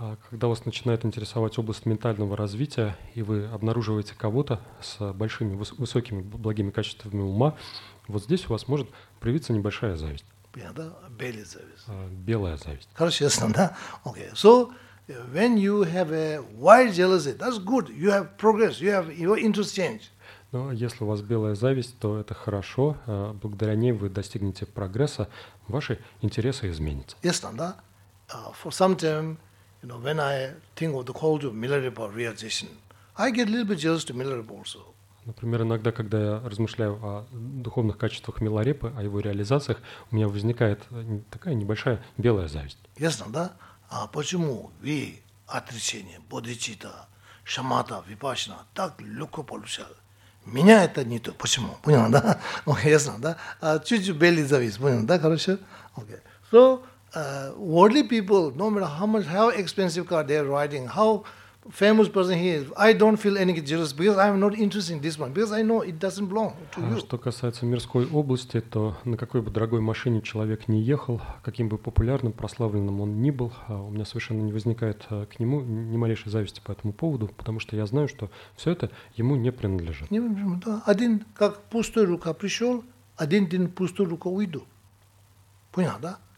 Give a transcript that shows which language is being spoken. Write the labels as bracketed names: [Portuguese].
[Russian] когда вас начинает интересовать область ментального развития, и вы обнаруживаете кого-то с большими, высокими, благими качествами ума, вот здесь у вас может проявиться небольшая зависть. [English] Yeah, [Russian] да? Белая зависть. Белая зависть. Хорошо, ясно, да? Okay. [English] So, when you have a wild jealousy, that's good. You have progress, you have your interest change. [Russian] Но если у вас белая зависть, то это хорошо. Благодаря ней вы достигнете прогресса, ваши интересы изменятся. [English] Yes, да? For some time, you know, when I think of the quality of Milarepa realization, I get a little bit jealous to Milarepa also. [Russian] Например, иногда, когда я размышляю о духовных качествах Миларепы, о его реализациях, у меня возникает такая небольшая белая зависть. [English] Yes, да? [Russian] А почему вы отречение, бодхичитта, шамата, випассана так легко получали? Меня это не то. Почему? Понял, да? Окей, ясно, да? Чуть-чуть белый завис. Понял, да? Хорошо? Окей. [English] So, worldly people, no matter how much, how expensive car they are riding, how famous person he is, I don't feel any jealous because I'm not interested in this one, because I know it doesn't belong to you. [Russian] Что касается мирской области, то на какой бы дорогой машине человек ни ехал, каким бы популярным, прославленным он ни был, у меня совершенно не возникает к нему ни малейшей зависти по этому поводу, потому что я знаю, что все это ему не принадлежит. Не принадлежит, да. Один как пустая рука пришел, один день пустую руку уйду. Понял, да?